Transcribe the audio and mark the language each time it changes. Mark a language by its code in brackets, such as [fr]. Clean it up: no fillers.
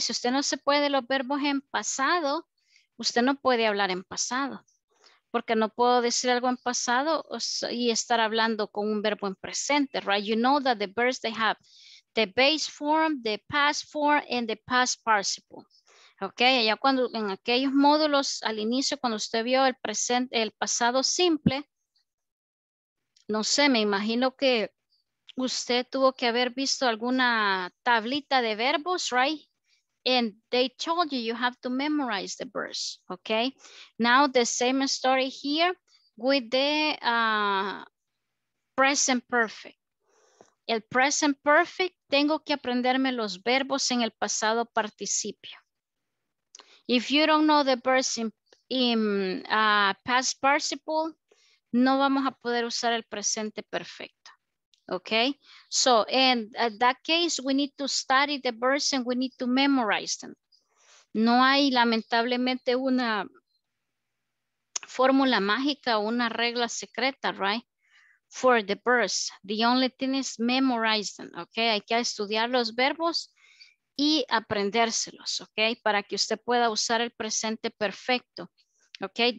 [es] Si usted no se puede los verbos en pasado, usted no puede hablar en pasado, porque no puedo decir algo en pasado y estar hablando con un verbo en presente, right? [en] You know that the verbs they have the base form, the past form, and the past participle, okay? [es] Ya cuando en aquellos módulos al inicio, cuando usted vio el presente, el pasado simple, no sé, me imagino que usted tuvo que haber visto alguna tablita de verbos, right? [en] And they told you, you have to memorize the verbs, okay? Now the same story here with the present perfect. [es] El present perfect, tengo que aprenderme los verbos en el pasado participio. [en] If you don't know the verbs in past participle, [es] no vamos a poder usar el presente perfecto. [en] Okay? So, in that case, we need to study the verbs and we need to memorize them. [es] No hay, lamentablemente, una fórmula mágica, una regla secreta, right? [en] For the verbs, the only thing is memorizing, ok? [es] Hay que estudiar los verbos y aprendérselos, ok? Para que usted pueda usar el presente perfecto, ok?